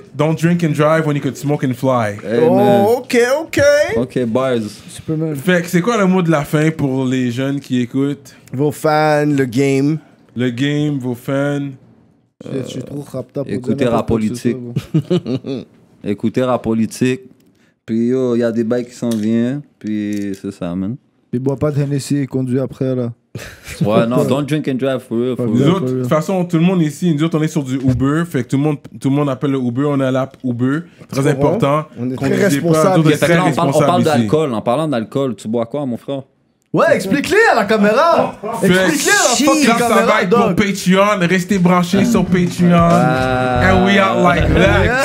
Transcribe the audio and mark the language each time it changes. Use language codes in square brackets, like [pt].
[en] Don't drink and drive when you could smoke and fly. Amen. Oh, OK. OK, bars. Superman. [fr] Fait que c'est quoi le mot de la fin pour les jeunes qui écoutent? Vos fans, le game. Le game, vos fans. Je suis trop rapt up. Écoutez rap politique. Écoutez rap politique. Puis yo, il y a des bails qui s'en viennent. Puis c'est ça, man. Puis bois pas de Hennessy et conduis après, là. Ouais, non, [en] don't drink and drive, for real. [fr] De toute façon, tout le monde ici, nous autres, on est sur du Uber. Fait que tout le monde appelle le Uber. On a l'app Uber. Très important. On est très responsable. Pas, très responsable. On parle d'alcool. En parlant d'alcool, tu bois quoi, mon frère? Ouais, explique-le à la caméra. Explique-le à la caméra, dog. Pour Patreon, restez branchés sur Patreon. [en] And we are like that.